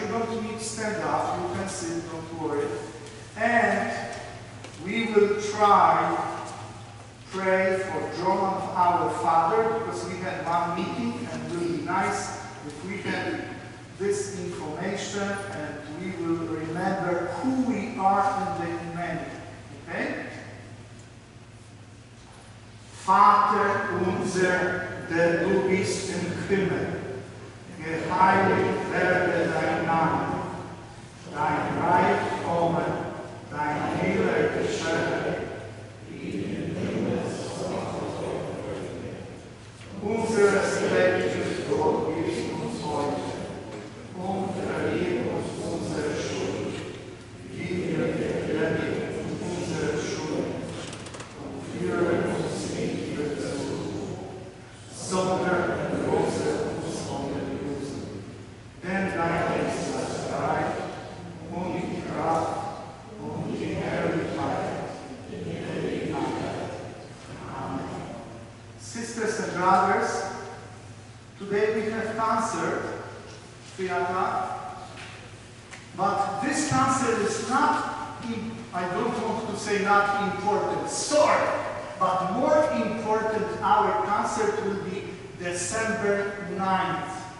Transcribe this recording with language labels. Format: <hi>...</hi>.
<en>You don't need to stand up. You can sit, don't worry. And we will try pray for German our Father, because we had one meeting and it will be nice if we had this information and we will remember who we are in the Emmanuel. Okay?</en> <de>Vater unser, der du bist im Himmel, geheiligt werde dein Name, dein Reich komme, dein Wille geschehe. Unser tägliches Brot gib uns heute und vergib uns unsere Schuld, wie wir vergeben unsere Schuld, und führe uns nicht in Versuchung, sondern erlöse uns von den Bösen. Denn dein ist das Reich und die Kraft und die Herrlichkeit in Ewigkeit. Amen.</de> <en>Sisters and brothers, today we have concert, Fiatra, but this concert is not, I don't want to say not important, sorry, but more important, our concert will be December 9th,</en>